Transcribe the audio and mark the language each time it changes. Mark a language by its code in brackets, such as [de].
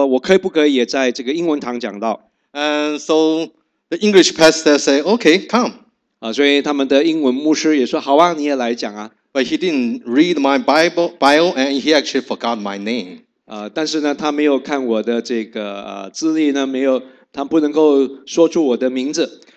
[zh] 那一次呢，他们是请我在中文部讲道，但是我有点贪心，我也说我可以不可以也在这个英文堂讲道。 [en] And so the English pastor said, okay, come. [zh] 所以他们的英文牧师也说，好啊，你也来讲啊。 [en] But he didn't read my bio, and he actually forgot my name. [zh] 但是呢，他没有看我的这个资历呢，没有，他不能够说出我的名字。